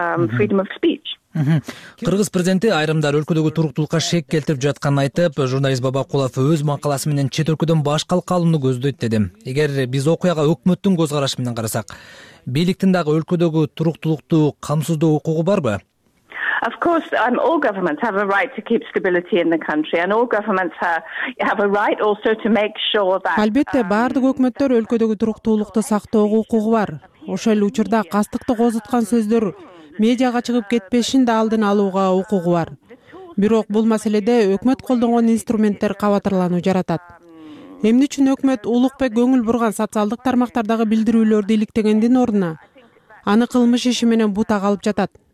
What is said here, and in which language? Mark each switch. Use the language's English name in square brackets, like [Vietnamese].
[Kyrgyz] Кыргыз президенти айрымдар өлкөдөгү туруктуулукка шек келтирип жатканын айтып, журналист Бабакулов өз макаласы менен чет өлкөдөн башкалыкка алууну көздөйт дедим. Эгер биз окуяга өкмөттүн көз карашы менен карасак, бийликтин дагы өлкөдөгү туруктуулукту камсыздоо укугу барбы? [English] Of course, all governments have a right to keep stability in the country, and all governments have a right also to make sure that. [Kyrgyz] Албетте, баардык өкмөттөр өлкөдөгү туруктуулукту сактоого укугу бар. Ошол эле учурда кастыкты козуткан сөздөр медиага чыгып кетпешин да алдын алууга укугу бар. Бирок бул маселеде өкмөт колдонгон инструменттер кабатырлануу жаратат. Эмне үчүн өкмөт Улукбек көңүл бурган социалдык тармактардагы билдирүүлөрдү иликтегендин ордуна аны кылмыш иши менен бутага алып жатат?